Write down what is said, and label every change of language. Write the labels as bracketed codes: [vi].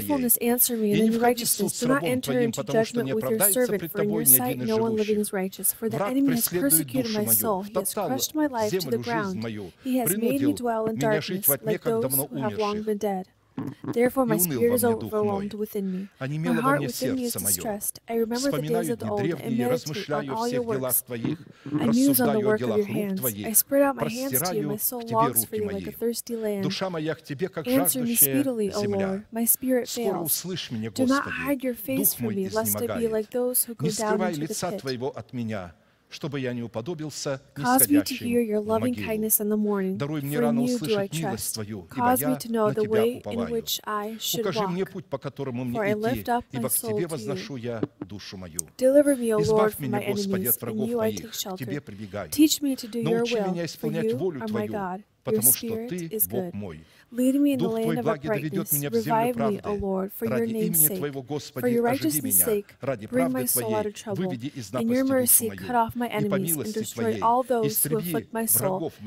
[ru] И не входи в суд с рабом Твоим, потому что не оправдается пред Тобой ни один из живущих. Враг преследует душу мою, втоптал землю жизнь мою, принудил меня жить во тьме, как давно умерших. [en] Therefore, my spirit is overwhelmed within me. My heart within me is distressed. I remember the days of old and meditate on all your works. I muse on the work of your hands. I spread out my hands to you. My soul longs for you like a thirsty land. Answer me speedily, O Lord. My spirit fails. Do not hide your face from me, lest I be like those who go down into the pit. [ru] Чтобы я не уподобился нисходящим в могилу. Даруй мне рано услышать милость Твою, ибо я на Тебя уповаю. Укажи мне путь, по которому мне идти, ибо к Тебе возношу я душу мою. Избавь меня, Господи, от врагов моих, к Тебе прибегаю. Научи меня исполнять волю Твою, потому что Ты — Бог мой. [en] Lead me in the land of uprightness. Revive me, O Lord, for your name's sake. For your righteousness' sake, bring my soul out of trouble. In your mercy, cut off my enemies and destroy all those who afflict my soul.